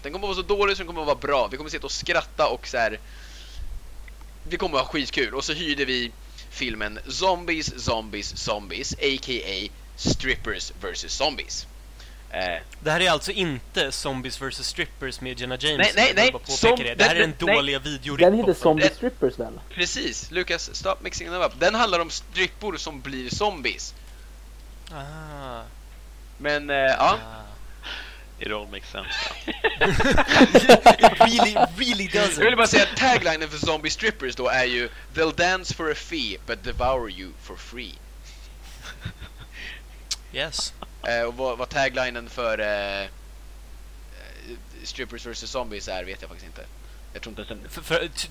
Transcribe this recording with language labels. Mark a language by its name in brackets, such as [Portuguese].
[Swedish] Den kommer vara så dålig så den kommer vara bra. Vi kommer sitta och skratta och så här, det kommer att ha skitkul. Och så hyrde vi filmen Zombies, Zombies, Zombies, a.k.a. Strippers vs. Zombies. Det här är alltså inte Zombies vs. Strippers med Jenna James. Nej. Det här är en dålig videoripp. Den heter Zombies Strippers väl? [English] Precis, Lucas, stop mixing them up. [Swedish] Den handlar om strippor som blir zombies. Ah. Men, ja. [English] It all makes sense. It really, really doesn't. [Swedish] Jag vill bara säga att taglinen för Zombie Strippers då är ju [English] "They'll dance for a fee, but devour you for free." Yes. [Swedish] Och vad taglinen för Strippers vs. Zombies är vet jag faktiskt inte. Jag tror inte att